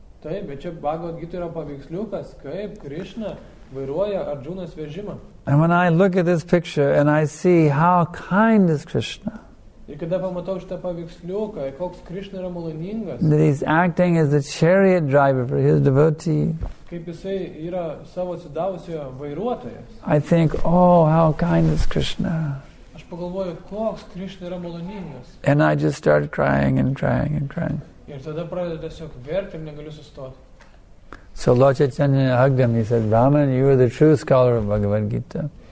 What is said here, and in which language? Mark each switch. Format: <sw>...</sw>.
<en>And when I look at this picture and I see how kind is Krishna,</en> <lt>ir kada pamatau šitą paveiksliuką, koks Krishna yra maloningas.</lt> <en>That he's acting as the chariot driver for his devotee.</en> <lt>Kaip jisai yra savo atsidavusio vairuotojas.</lt> <en>I think, oh, how kind is Krishna.</en> <lt>Aš pagalvoju, koks Krishna yra maloningas.</lt> <en>And I just start crying and crying and crying.</en> <lt>Ir tada pradedu tiesiog verkti ir negaliu sustoti.</lt> <en>So Lord Chaitanya hugged him. He said, Brahman, you are the true scholar of Bhagavad Gita.</en>